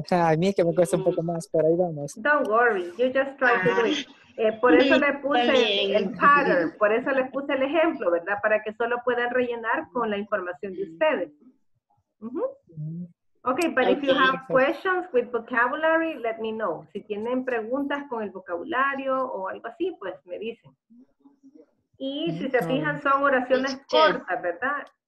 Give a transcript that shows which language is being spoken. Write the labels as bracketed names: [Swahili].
[Spanish] A mí es que me cuesta un poco más, pero ahí vamos. [English] Don't worry, you just try to do it. [Spanish] Por eso le puse el pattern, por eso les puse el ejemplo, ¿verdad? Para que solo puedan rellenar con la información de ustedes. Uh-huh. [English] Okay, but if you have questions with vocabulary, let me know. [Spanish] Si tienen preguntas con el vocabulario o algo así, pues me dicen. Y si se fijan, son oraciones cortas, ¿verdad?